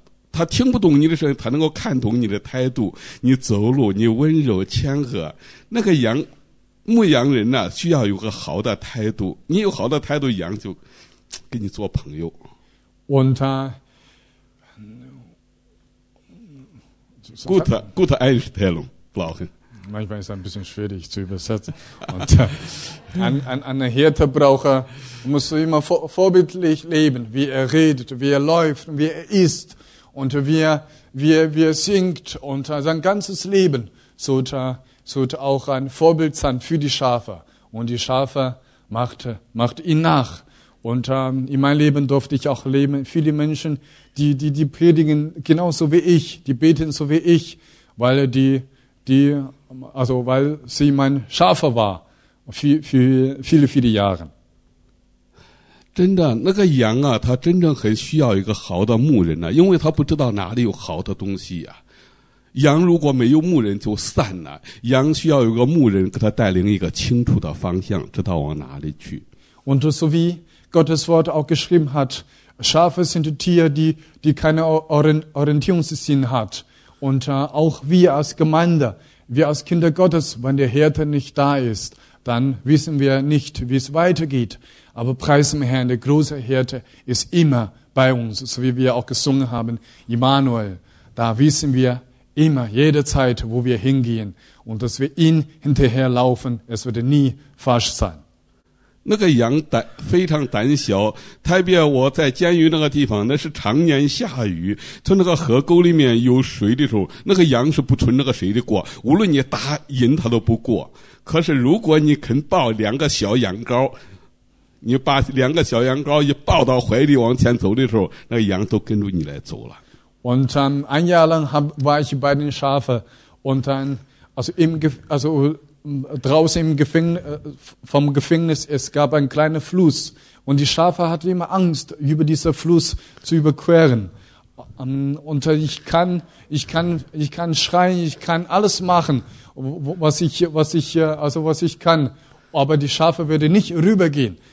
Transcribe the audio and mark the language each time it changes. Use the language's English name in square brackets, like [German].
[Chinese] 他听不懂你的声音，他能够看懂你的态度，你走路，你温柔谦和。那个羊，牧羊人呢，需要有个好的态度。你有好的态度，羊就跟你做朋友。 [German] Und gute Einstellung brauchen. Manchmal ist ein bisschen schwierig zu übersetzen. Und eine Hirte braucht, muss immer vorbildlich leben, wie er redet, wie er läuft, wie er isst. Und wir singt und sein ganzes Leben sollte auch ein Vorbild sein für die Schafe. Und die Schafe macht ihn nach. Und in meinem Leben durfte ich auch leben, viele Menschen, die predigen genauso wie ich, die beten so wie ich, weil sie mein Schafe war für viele, viele Jahre. [Chinese] 真的，那个羊啊，它真正很需要一个好的牧人呢、啊，因为它不知道哪里有好的东西呀、啊。羊如果没有牧人就散了，羊需要有个牧人给它带领一个清楚的方向，知道往哪里去。 [German] Und so wie Gottes Wort auch geschrieben hat, Schafe sind Tiere, die keine Orientierungssinn hat. Und auch wir als Gemeinde, wir als Kinder Gottes, wenn der Hirte nicht da ist, dann wissen wir nicht, wie es weitergeht. Aber preis dem Herrn, der große Hirte ist immer bei uns, so wie wir auch gesungen haben, Immanuel. Da wissen wir immer, jede Zeit, wo wir hingehen und dass wir ihn hinterherlaufen, es wird nie falsch sein. [Chinese] 那个羊胆非常胆小，特别我在监狱那个地方，那是常年下雨，从那个河沟里面有水的时候，那个羊是不存那个水的过，无论你打赢它都不过。可是如果你肯抱两个小羊羔，你把两个小羊羔一抱到怀里往前走的时候，那个羊都跟着你来走了。 [German] Und ein Jahr lang war ich bei den Schafen und dann draußen im Gefängnis. Es gab einen kleinen Fluss und die Schafe hatten immer Angst, über diesen Fluss zu überqueren. Und ich kann schreien, ich kann alles machen, was ich kann, aber die Schafe würden nicht rübergehen.